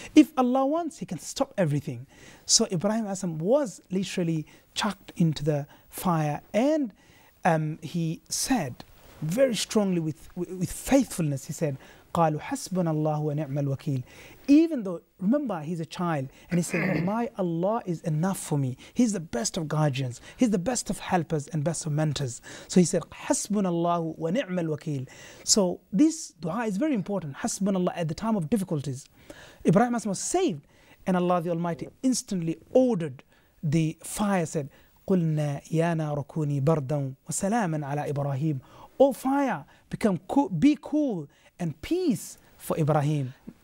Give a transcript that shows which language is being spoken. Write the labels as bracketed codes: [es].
[en] If Allah wants, He can stop everything. So Ibrahim alayhi salam was literally chucked into the fire and he said very strongly with faithfulness, he said, [ar] قَالُوا حَسْبُنَ اللَّهُ وَنِعْمَ الْوَكِيلِ. [en] Even though, remember, he's a child, and he said, my Allah is enough for me. He's the best of guardians. He's the best of helpers and best of mentors. So he said, [ar] حَسْبُنَ اللَّهُ وَنِعْمَ الْوَكِيلِ. [en] So this dua is very important. [ar] حَسْبُنَ اللَّهُ, [en] at the time of difficulties. Ibrahim was saved, and Allah the Almighty instantly ordered the fire, said, [ar] قُلْنَا يَا نَارُ كُونِي بَرْدًا وَسَلَامًا عَلَىٰ إِبْرَاهِيمُ. [en] O fire, be cool and peace for Ibrahim.